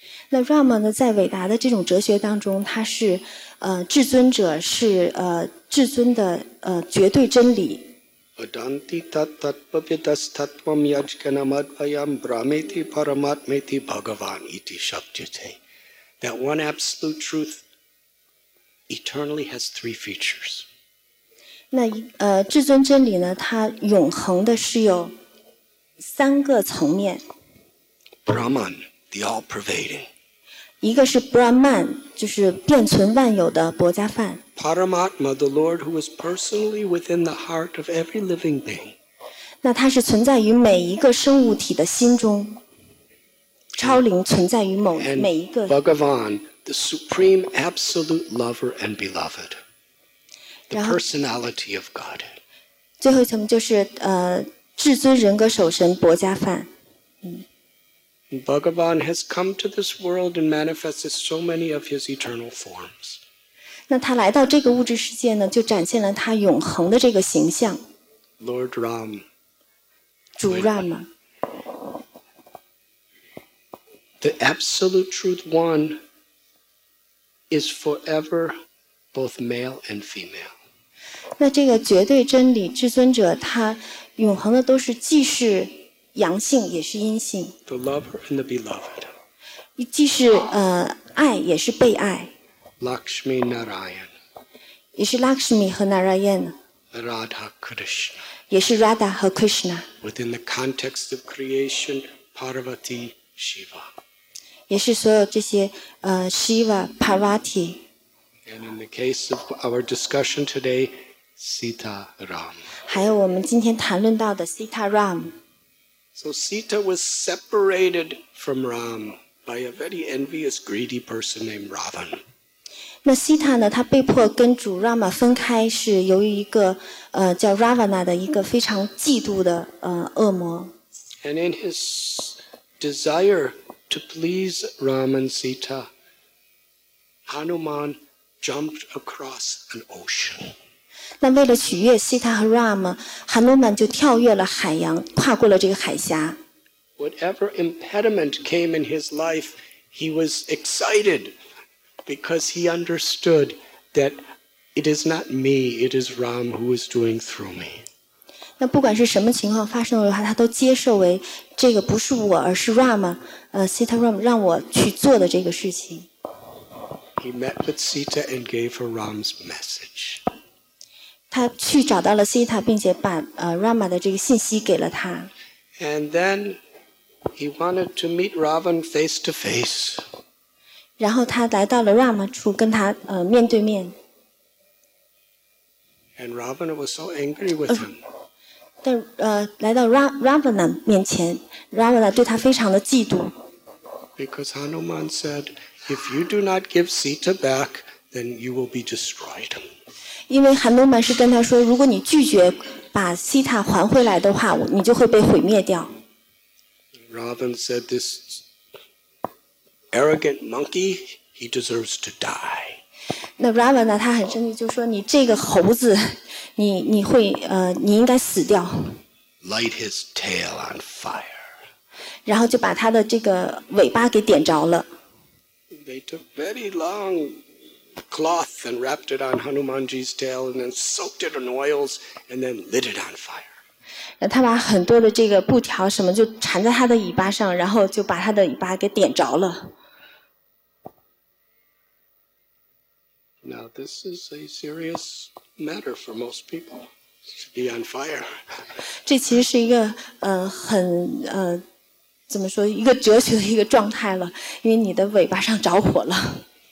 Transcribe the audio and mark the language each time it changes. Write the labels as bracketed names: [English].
[Chinese] 那 Rama 呢，在伟达的这种哲学当中，他是至尊者，是至尊的绝对真理。 [Sanskrit] Vedanti tattvavidas tattvam yajnamadvayam brahmeti paramatmeti bhagavan iti shabdite. [English] That one absolute truth eternally has three features. [Chinese] 那至尊真理呢，它永恒的是有三个层面。 [English] Brahman, the all-pervading. [Chinese] 一个是 Brahman, 就是遍存万有的薄伽梵。 [English] Paramatma, the Lord who is personally within the heart of every living being. [Chinese] 那他是存在于每一个生物体的心中。超灵存在于每一个。 [English] And Bhagavan, the supreme absolute lover and beloved. The personality of God. [Chinese] 最后一层就是至尊人格守神薄伽梵。 [English] Bhagavan has come to this world and manifested so many of his eternal forms. [Chinese] 那他来到这个物质世界呢，就展现了他永恒的这个形象。 [English] Lord Ram. [Chinese] 主 Ram. [English] The absolute truth one is forever both male and female. [Chinese] 那这个绝对真理至尊者，他永恒的都是既是。阳性也是阴性。 [English] The lover and the beloved. [Chinese] 既是爱也是被爱。 [English] Lakshmi Narayan. [Chinese] 也是 Lakshmi 和 Narayan. [English] Radha Krishna. [Chinese] 也是 Radha 和 Krishna. [English] Within the context of creation, Parvati Shiva. [Chinese] 也是所有这些Shiva Parvati. [English] And in the case of our discussion today, Sita Ram. [Chinese] 还有我们今天谈论到的 Sita Ram. [English] So Sita was separated from Ram by a very envious, greedy person named Ravan. [Chinese] 那 Sita 呢？他被迫跟主 Rama 分开，是由于一个叫 Ravana 的一个非常嫉妒的恶魔。 [English] And in his desire to please Ram and Sita, Hanuman jumped across an ocean. [Chinese] 那为了取悦 Sita 和 Ram, Hanuman 就跳跃了海洋，跨过了这个海峡。 [English] Whatever impediment came in his life, he was excited because he understood that it is not me, it is Ram who is doing through me. [Chinese] 那不管是什么情况发生的话，他都接受为这个不是我，而是 Rama， Sita Ram 让我去做的这个事情。 [English] He met with Sita and gave her Ram's message. [Chinese] 他去找到了 Sita， 并且把Rama 的这个信息给了他。 [English] And then he wanted to meet Ravan face to face. [Chinese] 然后他来到了 Rama 处，跟他面对面。 [English] And Ravana was so angry with him. [Chinese] 但来到 Ravana 面前 ，Ravana 对他非常的嫉妒。 [English] Because Hanuman said, "If you do not give Sita back, then you will be destroyed." [Chinese] 因为 Hanuman 是跟他说，如果你拒绝把 Sita 还回来的话，你就会被毁灭掉。 [English] Ravana said, "This arrogant monkey, he deserves to die." [Chinese] 那 Ravana 他很生气，就说你这个猴子，你会你应该死掉。 [English] Light his tail on fire. [Chinese] 然后就把他的这个尾巴给点着了。 [English] They took very long cloth and wrapped it on Hanumanji's tail, and then soaked it in oils, and then lit it on fire. [Chinese] 那他把很多的这个布条什么就缠在他的尾巴上，然后就把他的尾巴给点着了。 [English] Now this is a serious matter for most people to be on fire. [Chinese] 这其实是一个很怎么说一个哲学的一个状态了，因为你的尾巴上着火了。